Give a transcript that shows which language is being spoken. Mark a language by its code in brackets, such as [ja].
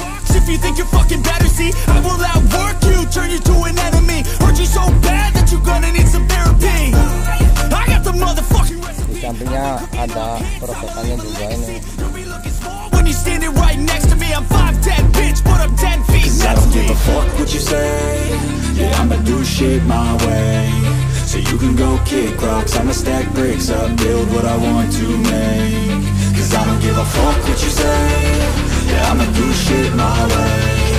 [en] If you think you're fucking better, see, I will outwork you, turn you to an enemy. Hurt you so bad that you're gonna need some therapy. I got the motherfucking recipe. [id] Di sampingnya ada perosotannya juga ini. [en] When you're standing right next to me, I'm 5'10 bitch, but I'm 10 feet next to me. Cause I don't give a fuck what you say. Yeah, I'ma do shit my way. So you can go kick rocks, I'ma stack bricks up, build what I want to make. Cause I don't give a fuck what you say. Yeah, I'ma do shit my way.